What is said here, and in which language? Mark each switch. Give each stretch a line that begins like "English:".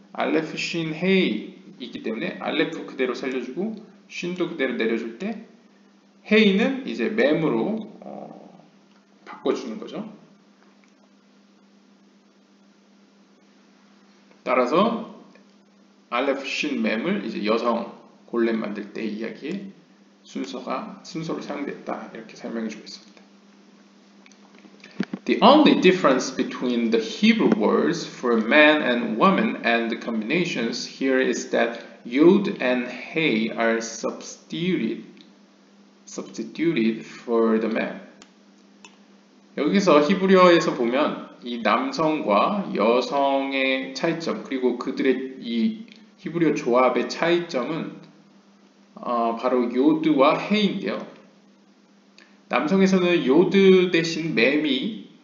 Korean: Aleph Shin Hey 이기 때문에 Aleph 그대로 살려주고 Shin도 그대로 내려줄 때 Hey는 이제 맴으로 바꿔주는 거죠. 따라서 Aleph Shin 맴을 이제 여성 골렘 만들 때 이야기에 순서로 사용됐다 이렇게 설명해 주겠습니다.
English: The only difference between the Hebrew words for man and woman and the combinations here is that yod and hey are substituted for the man.
Korean: 여기서 히브리어에서 보면 이 남성과 여성의 차이점 그리고 그들의 이 히브리어 조합의 차이점은 바로 요드와 헤인데요. 남성에서는 요드 대신 맴이